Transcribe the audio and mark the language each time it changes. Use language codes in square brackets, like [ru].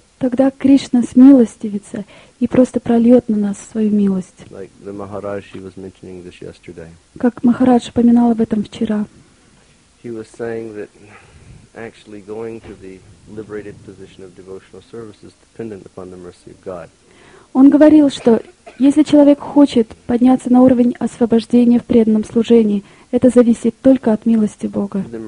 [ru] Тогда Кришна смилостивится и просто прольет на нас свою милость. [en] Like the Maharaj, he was mentioning this yesterday. [ru] Как Махарадж упоминал об этом вчера. [en] He was saying that actually going to the liberated position of devotional service is dependent upon the mercy of God. [ru] Он говорил, что если человек хочет подняться на уровень освобождения в преданном служении, это зависит только от милости Бога.